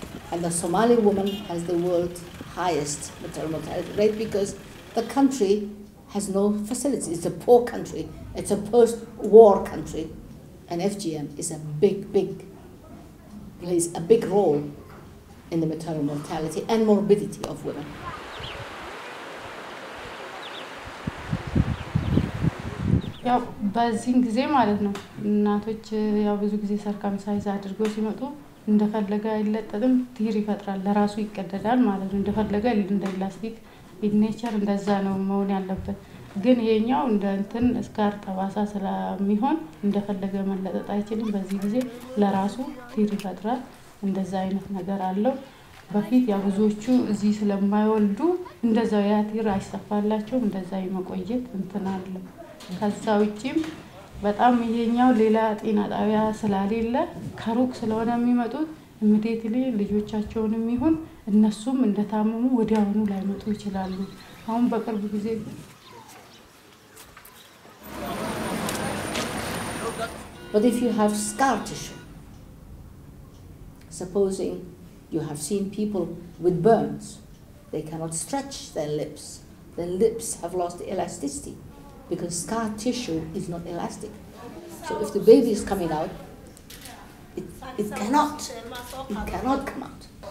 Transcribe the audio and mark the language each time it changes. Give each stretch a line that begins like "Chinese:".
English: And the Somali woman has the world's highest maternal mortality rate because the country has no facilities. It's a poor country. It's a post-war country. And FGM is a big, big, plays a big role in the maternal mortality and morbidity of women.
Amharic: ያው በዚህ ጊዜ ማለት ነው እናቶች ያው ብዙ ጊዜ ሰርካምሳይዝ አድርጎ ሲመጡ እንደፈለገ አይለጠጥም ቲር ይፈጥራል ለራሱ ይቀደዳል ማለት ነው እንደፈለገ እንደ ላስቲክ ኢንኔቸር እንደዛ ነው መሆን ያለበት ግን የኛው እንደ እንትን ስካር ተባሳ ስለሚሆን እንደፈለገ መለጠጥ አይችልም በዚህ ጊዜ ለራሱ ቲር ይፈጥራል እንደዛ አይነት ነገር አለው በፊት ያው ብዙዎቹ እዚህ ስለማይወልዱ እንደዛ ያ ቲር አይሰፋላቸው እንደዛ ይመቆየት እንትን አለ ከዛ ውጪም በጣም ይሄኛው ሌላ ጤና ጣቢያ ስለሌለ ከሩቅ ስለሆነ የሚመጡት እምዴትሊ ልጆቻቸውንም ይሁን እነሱም እንደታመሙ ወዲያውኑ ላይመጡ ይችላሉ። አሁን በቅርብ ጊዜ
English: But if you have scar tissue, supposing you have seen people with burns, they cannot stretch their lips have lost the elasticity. Because scar tissue is not elastic. So if the baby is coming out, it cannot come out.